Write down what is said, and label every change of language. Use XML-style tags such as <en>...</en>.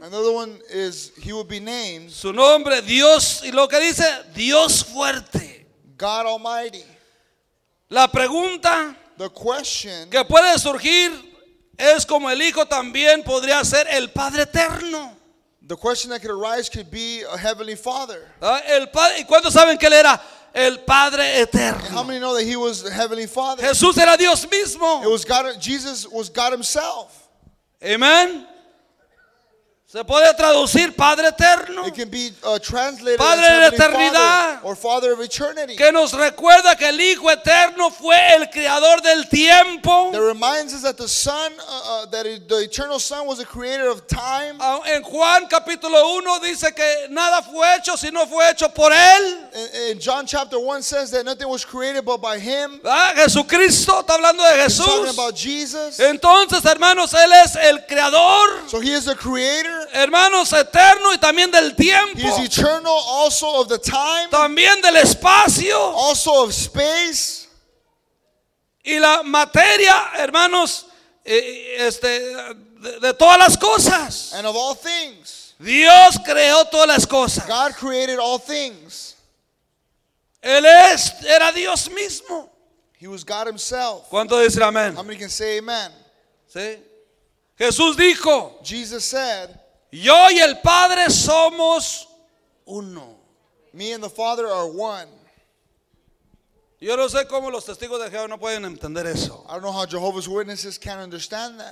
<en>Another one is, he will be named.</en> <es>Su nombre, Dios, y lo que dice, Dios fuerte.</es> <en>God Almighty.</en> <es>La pregunta</es> <en>the question</en> <es>que puede surgir es como el Hijo también podría ser el Padre Eterno.</es> <en>The question that could arise could be a Heavenly Father.</en> <es>¿Y cuántos saben que él era? El Padre Eterno.</es> <en>How many know that he was the Heavenly Father?</en> <es>Jesús era Dios mismo.</es> <en>It was God, Jesus was God himself.</en> <es>Amen. Se puede traducir Padre Eterno.</es> <en>It can be translated</en> <es>Padre</es> <en>as Heavenly</en> <es>Eternidad,</es> <en>Father or Father of Eternity.</en> <es>Que nos recuerda que el Hijo Eterno fue el creador del tiempo.</es> <en>That reminds us that the Son, that the Eternal Son was the creator of time.</en> <es>En Juan capítulo 1 dice que nada fue hecho si no fue hecho por él.</es> <en>In John chapter 1 says that nothing was created but by him.</en> <es>¿Ah, Jesucristo? Está hablando de Jesús.</es> <en>He's talking about Jesus.</en> <es>Entonces, hermanos, él es el creador.</es> <en>So he is the creator.</en> <es>Hermanos, eterno y también del tiempo.</es> <en>He is eternal, also of the time.</en> <es>También del espacio.</es> <en>Also of space.</en> <es>Y la materia, hermanos, de todas las cosas.</es> <en>And of all things.</en> <es>Dios creó todas las cosas.</es> <en>God created all things.</en> <es>Él es, era Dios mismo.</es> <en>He was God himself.</en> <es>¿Cuánto dice amén?</es> <en>How many can say amen?</en> <es>¿Sí? Jesús dijo.</es> <en>Jesus said.</en> <es>Yo y el Padre somos uno.</es> <en>Me and the Father are one.</en> <es>Yo no sé cómo los testigos de Jehová no pueden entender eso.</es> <en>I don't know how Jehovah's Witnesses can't understand that.</en>